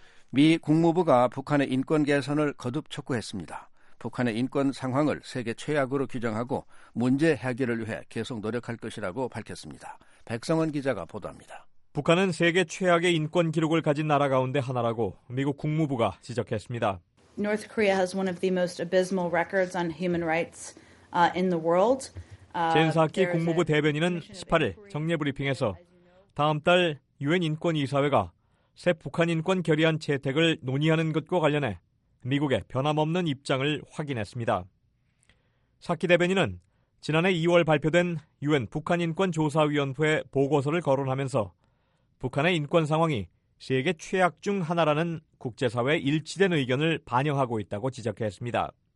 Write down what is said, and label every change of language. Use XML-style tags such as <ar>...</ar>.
<ko>미 국무부가 북한의 인권 개선을 거듭 촉구했습니다. 북한의 인권 상황을 세계 최악으로 규정하고 문제 해결을 위해 계속 노력할 것이라고 밝혔습니다. 백성원 기자가 보도합니다. 북한은 세계 최악의 인권 기록을 가진 나라 가운데 하나라고 미국 국무부가 지적했습니다.</ko> <en>North Korea has one of the most abysmal records on human rights in the world.</en> <ko>젠 사키 국무부 대변인은 18일 정례 브리핑에서 다음 달 유엔 인권이사회가 새 북한 인권 결의안 채택을 논의하는 것과 관련해 미국의 변함없는 입장을 확인했습니다. 사키 대변인은 지난해 2월 발표된 유엔 북한인권조사위원회 보고서를 거론하면서 북한의 인권 상황이 세계 최악 중 하나라는 국제사회의 일치된 의견을 반영하고 있다고 지적했습니다.</ko>